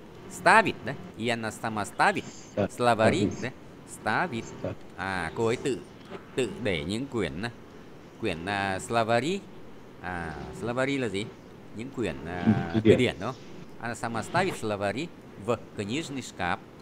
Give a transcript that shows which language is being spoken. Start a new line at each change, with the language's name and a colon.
Russian: Ставит, đấy. И она сама ставит. Словари, đấy. Ставит.
Vietnamese: À, cô ấy tự để những quyển quyển словари. À, словари là gì? Những quyển từ điển, đúng không?
Russian: Она сама ставит словари в книжный шкаф.